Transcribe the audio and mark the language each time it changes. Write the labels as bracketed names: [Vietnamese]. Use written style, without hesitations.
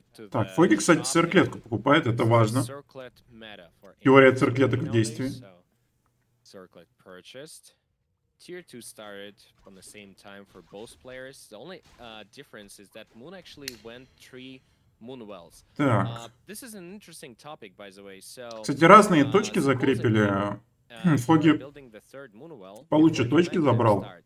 [Russian] Так, Фоги, кстати, цирклетку покупает, это важно. Теория цирклеток в действии. [English] Circlet purchased. Tier 2 started on the same time for both players. The only difference is that Moon actually went 3 Moon Wells. [Russian] Так. [English] This is an interesting topic, by the way. So, [Russian] кстати, разные точки закрепили. Фоги получше точки забрал.